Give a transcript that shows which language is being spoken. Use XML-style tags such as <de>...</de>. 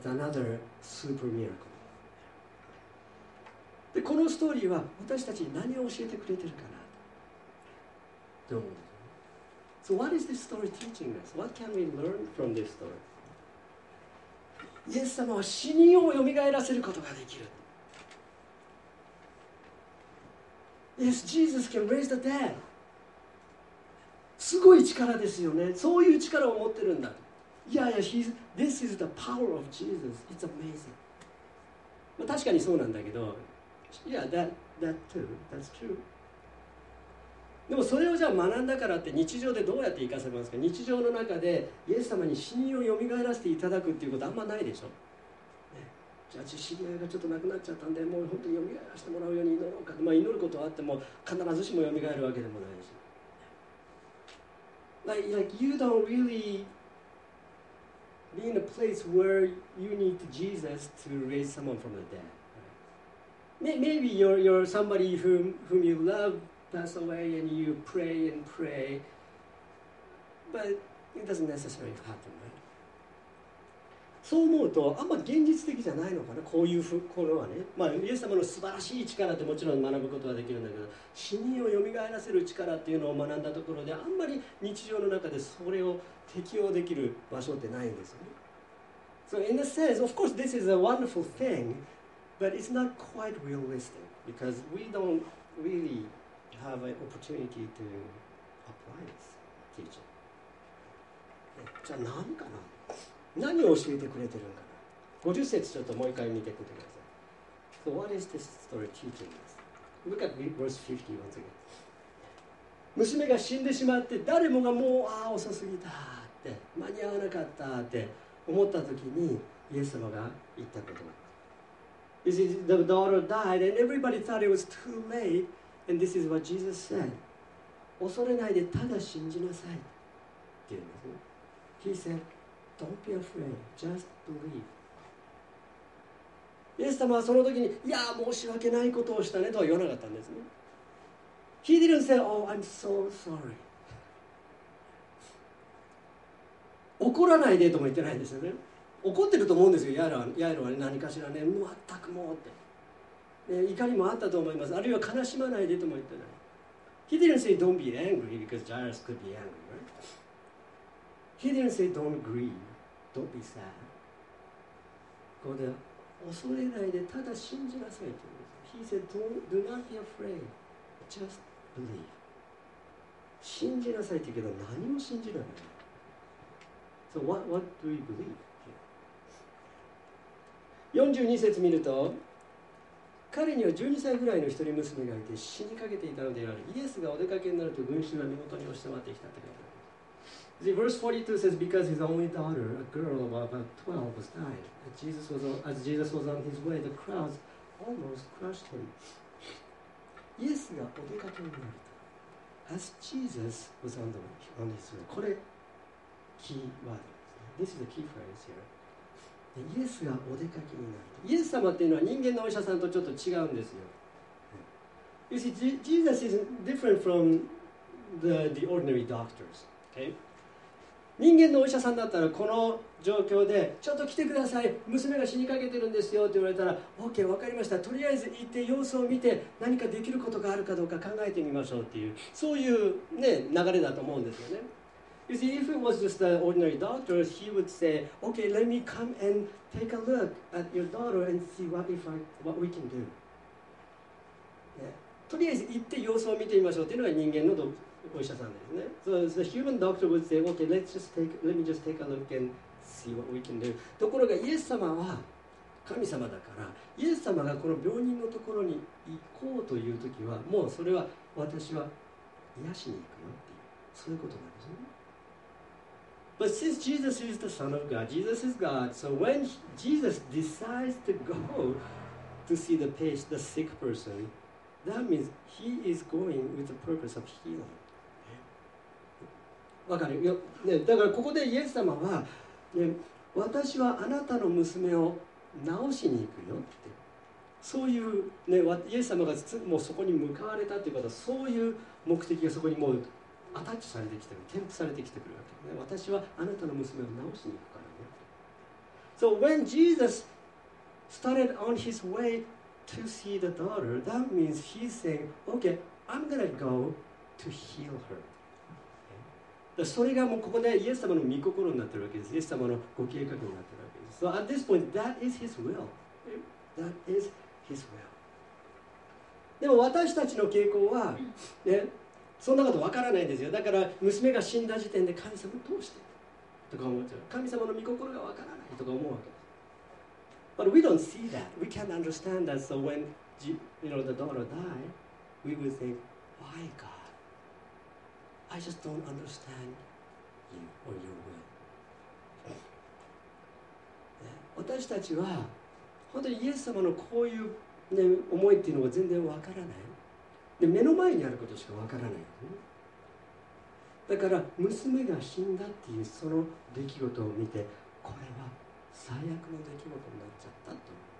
<en>That's another super miracle.</en> <ja>で、このストーリーは私たちに何を教えてくれてるかなと。どう思う？</ja> <en>So what is this story teaching us? What can we learn from this story?</en> <ja>イエス様は死人をよみがえらせることができる。</ja> <en>Yes, Jesus can raise the dead.</en> <ja>すごい力ですよね。そういう力を持ってるんだ。いやいや、</ja> <en>This is the power of Jesus. It's amazing.</en> <ja>まあ確かにそうなんだけど、</ja> <en>Yeah, that too. That's true.</en> <ja>でもそれをじゃあ学んだからって日常でどうやって生かせますか。日常の中でイエス様に死人をよみがえらせていただくっていうことあんまないでしょ。じゃあ知り合いがちょっと亡くなっちゃったんで、もう本当によみがえらせてもらうように祈ろうか、まあ、祈ることはあっても必ずしもよみがえるわけでもないし、</ja> <en>like you don't really be in a place where you need Jesus to raise someone from the dead. Maybe you're somebody whom you love pass away and you pray but it doesn't necessarily happen, right?</en> <ja>そう思うとあんま現実的じゃないのかな、こういうところはね。まあイエス様の素晴らしい力ってもちろん学ぶことはできるんだけど、死人をよみがえらせる力っていうのを学んだところで、あんまり日常の中でそれを適用できる場所ってないんですよね。</ja> <en>So in a sense, of course this is a wonderful thing, but it's not quite realistic because we don't really have an opportunity to apply this teaching.</en> <ja>じゃあ何かな、何を教えてくれてるのかな。 50節ちょっともう一回見てください。</ja> <en>So what is this story teaching us? Look at verse 50 once again.</en> <ja>娘が死んでしまって、誰もがもう、ああ遅すぎたって、間に合わなかったって思った時に、イエス様が言ったことが。</ja> <en>This is the daughter died and everybody thought it was too late and this is what Jesus said.</en> <ja>恐れないでただ信じなさいって言うんですね。</ja> <en>He saidDon't be afraid, just believe.</en> <ja>イエス様はその時に、いや申し訳ないことをしたねとは言わなかったんですね。</ja> <en>He didn't say, oh, I'm so sorry.</en> <ja>怒らないでとも言ってないんですよね。怒ってると思うんですよ、ヤイロは、ね、何かしらね、全くもうって、ね。怒りもあったと思います。あるいは悲しまないでとも言ってない。</ja> <en>He didn't say, don't be angry, because Jairus could be angry, right? He didn't say, don't grieve, don't be sad.</en> <ja>ここで、恐れないで、ただ信じなさいと言うんです。</ja> <en>He said, do not be afraid, just believe.</en> <ja>信じなさいと言うけど、何も信じない。</ja> <en>So what do we believe here?</en> <ja>42節見ると、彼には12歳ぐらいの一人娘がいて死にかけていたのである。イエスがお出かけになると群衆が身元に押し迫ってきたって書いてある。</ja> <en>See, verse 42 says, because his only daughter, a girl of about 12, was dying. As Jesus was on his way, the crowds almost crushed him.</en> <ja>イエスがお出かけになると。</ja> <en>As Jesus was on his way.</en> <ja>これ、キーワード。</ja> <en>This is the key phrase here.</en> <ja>でイエスがお出かけになると。イエス様っていうのは人間のお医者さんとちょっと違うんですよ。</ja> <en>You see, Jesus is different from the ordinary doctors. Okay?</en> <ja>人間のお医者さんだったらこの状況でちょっと来てください、娘が死にかけてるんですよって言われたら OK、わかりました、とりあえず行って様子を見て何かできることがあるかどうか考えてみましょうっていう、そういう、ね、流れだと思うんですよね。</ja> <en>You see, if it was just an ordinary doctor, he would say OK, let me come and take a look at your daughter and see what we can do、ね、</en> <ja>とりあえず行って様子を見てみましょうっていうのが人間のドクターお医者さんですね。</ja> <en>So the human doctor would say, okay, let me just take a look and see what we can do.</en> <ja>ところがイエス様は神様だから、イエス様がこの病人のところに行こうというときは、もうそれは私は癒しに行くよっていう、そういうことなんですね。</ja> <en>But since Jesus is the Son of God, Jesus is God, so when Jesus decides to go to see the patient, the sick person, that means he is going with the purpose of healing.</en> <ja>わかるよ、ね、だからここでイエス様は、ね、私はあなたの娘を治しに行くよって、そういう、ね、イエス様がもうそこに向かわれたということは、そういう目的がそこにもうアタッチされてきてる、添付されてきてくるわけ、ね、私はあなたの娘を治しに行くからね。</ja> <en>So when Jesus started on his way to see the daughter, that means he's saying, okay, I'm gonna go to heal her.</en> <ja>それがもうここでイエス様の御心になってるわけです。イエス様のご計画になってるわけです。</ja> <en>So at this point, that is his will. That is his will.</en> <ja>でも私たちの傾向は、ね、そんなことわからないんですよ。だから娘が死んだ時点で神様どうしてとか思っちゃう。神様の御心がわからないとか思うわけです。</ja> <en>But we don't see that. We can't understand that. So when you know, the daughter died, we would think, why God? I just don't understand you or your will.</en> <ja>私たちは本当にイエス様のこういう、ね、思いっていうのが全然わからない。で、目の前にあることしかわからない。だから娘が死んだっていうその出来事を見て、これは最悪の出来事になっちゃったと。</ja>